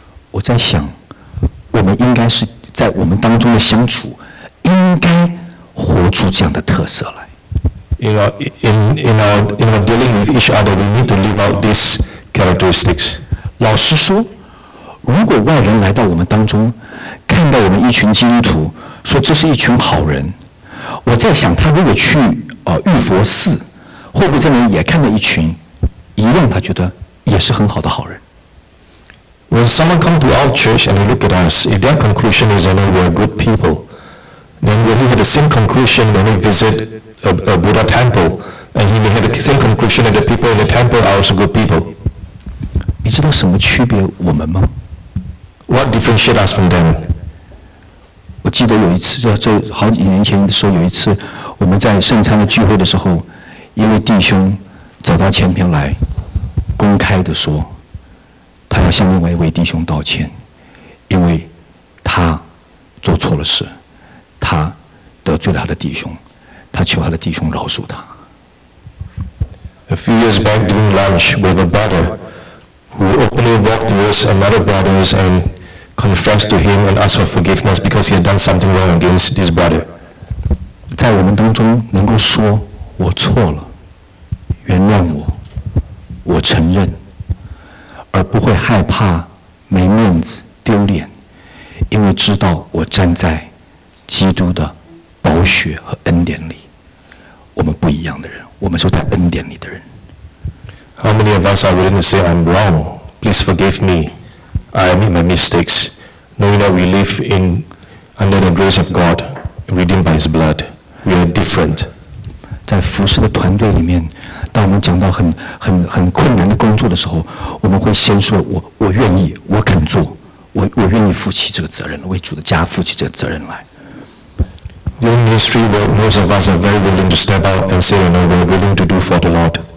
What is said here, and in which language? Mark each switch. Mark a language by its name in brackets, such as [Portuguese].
[Chinese] 我在想，我们应该是在我们当中的相处，应该活出这样的特色来。 [English] In our dealing with each other, we need to live out these characteristics. [Chinese] 老实说，如果外人来到我们当中，看到我们一群基督徒，说这是一群好人，我在想，他如果去玉佛寺，会不会在那里也看到一群一样，他觉得也是很好的好人？ [English] When someone comes to our church and they look at us, if their conclusion is that we are good people, then will he have the same conclusion when he visit a Buddha temple? And he may have the same conclusion that the people in the temple are also good people. [Chinese] 你知道什么区别我们吗？ [English] What differentiates us from them? [Chinese] 我记得有一次，就好几年前的时候，有一次我们在圣餐的聚会的时候，一位弟兄走到前面来，公开的说。他要向另外一位弟兄道歉，因为他做错了事，他得罪了他的弟兄，他求他的弟兄饶恕他。 [English] A few years back during lunch with a brother who openly walked towards another brother and confessed to him and asked for forgiveness because he had done something wrong against this brother. [Chinese] 在我们当中能够说我错了，原谅我，我承认。而不会害怕没面子丢脸，因为知道我站在基督的宝血和恩典里。我们不一样的人，我们是在恩典里的人。 [English] How many of us are willing to say I'm wrong? Please forgive me. I admit my mistakes, knowing that we live in under the grace of God, redeemed by His blood. We are different. [Chinese] 在服事的团队里面。当我们讲到很困难的工作的时候，我们会先说我愿意，我肯做，我愿意负起这个责任，为主的家负起这个责任来。 [English] The ministry where most of us are very willing to step out and say, "No, we're willing to do for the Lord."